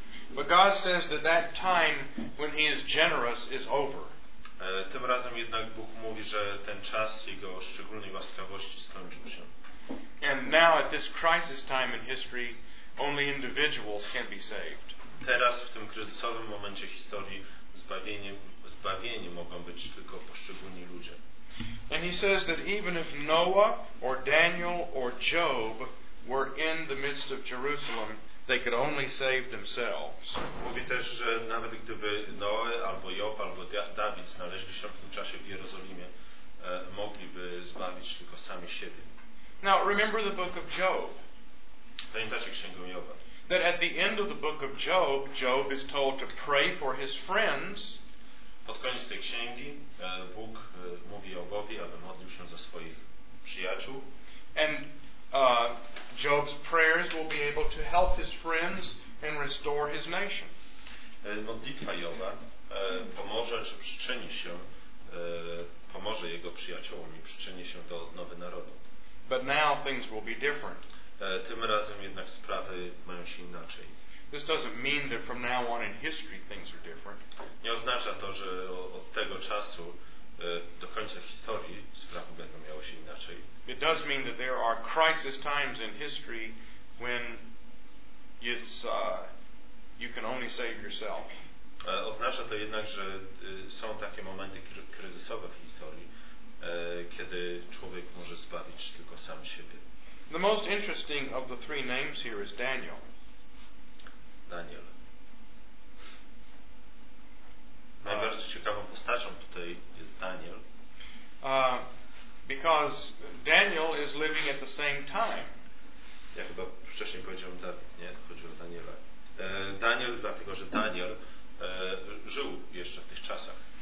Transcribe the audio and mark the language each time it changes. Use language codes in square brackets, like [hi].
[en] But God says that that time when he is generous is over. [pl] Tym razem jednak Bóg mówi, że ten czas jego szczególnej łaskawości skończył się. [en] And now at this crisis time in history, only individuals can be saved. [pl] Teraz w tym kryzysowym momencie historii zbawieni mogą być tylko poszczególni ludzie. [en] And he says that even if Noah or Daniel or Job were in the midst of Jerusalem, they could only save themselves. [pl] Mówi też, że nawet gdyby Noe albo Job albo Dawid znaleźli się w tym czasie w Jerozolimie, mogliby zbawić tylko sami siebie. [en] Now remember the book of Job. [pl] Pamiętacie księgę Joba. [en] That at the end of the book of Job, Job is told to pray for his friends. [pl] Pod koniec tej księgi Bóg mówi Jobowi, aby modlił się za swoich przyjaciół. [en] And Job's prayers will be able to help his friends and restore his nation. [pl] Modlitwa Joba pomoże czy przyczyni się, pomoże jego przyjaciołom i przyczyni się do odnowy narodu. [en] But now things will be different. [pl] Tym razem jednak sprawy mają się inaczej. [en] This doesn't mean that from now on in history things are different. [pl] Nie oznacza to, że od tego czasu do końca historii sprawy będą miały się inaczej. [en] It does mean that there are crisis times in history when it's you can only save yourself. [pl] Oznacza to jednak, że są takie momenty kryzysowe w historii, kiedy człowiek może zbawić tylko sam siebie. [en] The most interesting of the three names here is Daniel. [pl] Daniel. Najbardziej ciekawą postacią tutaj jest Daniel. [en] Because Daniel is living at the same time. [pl] Ja chyba wcześniej powiedziałem Dawid, nie? Chodzi o Daniela. Daniel, dlatego że Daniel żył jeszcze w tych czasach.